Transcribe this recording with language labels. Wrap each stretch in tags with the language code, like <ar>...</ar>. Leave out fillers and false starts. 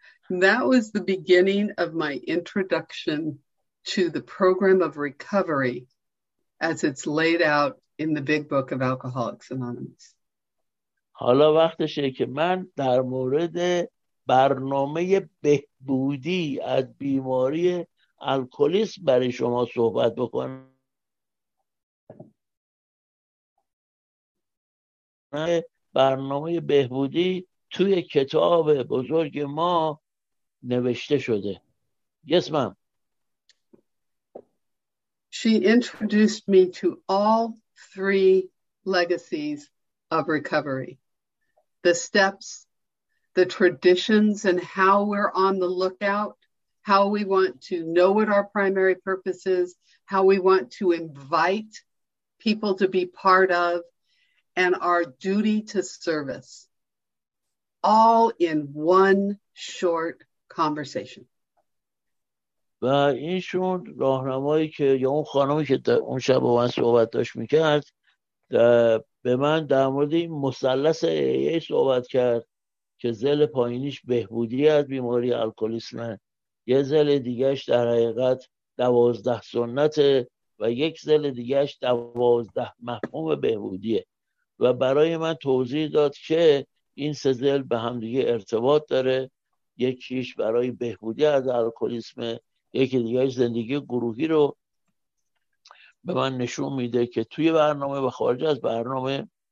<en>That was the beginning of my introduction to the program of recovery as it's laid out in the big book of Alcoholics Anonymous.</en> <fa>حالا وقتشه که من در مورد برنامه بهبودی از بیماری الکلیسم برای شما صحبت بکنم. برنامه بهبودی توی کتاب بزرگ ما نوشته شده.</fa> <en>Yes, ma'am. She introduced me to all three legacies of recovery. The steps, the traditions, and how we're on the lookout, how we want to know what our primary purpose is, how we want to invite people to be part of, and our duty to service, all in one short conversation.</en> <fa>و اینشون راهنمایی که یا اون خانمی که اون شب با من صحبت داشت میکرد به من در مورد این مثلث ای صحبت کرد که ذیل پایینیش بهبودی از بیماری الکلیسمه، یه ذیل دیگهش در حقیقت 12 سنته و یک ذیل دیگهش 12 مفهوم بهبودیه و برای من توضیح داد که این سه ذیل به همدیگه ارتباط داره، یکیش برای بهبودی از الکلیسمه، یکی دیگه زندگی گروهی رو به من نشون میده که توی برنامه و خارج از برنامه</fa>